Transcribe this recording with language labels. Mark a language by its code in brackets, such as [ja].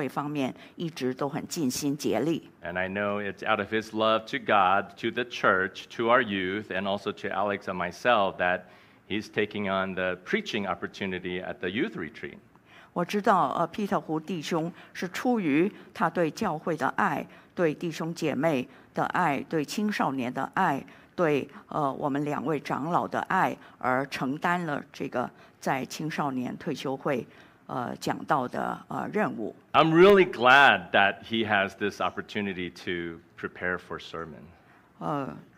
[zh] 他对服侍神，他在服侍神、服侍教会方面一直都很尽心竭力。 [en] And I know it's out of his love to God, to the church, to our youth, and also to Alex and myself that he's taking on the preaching opportunity at the youth retreat. [zh] 我知道, Peter 胡弟兄是出于他对教会的爱，对弟兄姐妹的爱，对青少年的爱，对我们两位长老的爱，而承担了这个在青少年退休会讲道的任务。 [en] I'm really glad that he has this opportunity to prepare for sermon.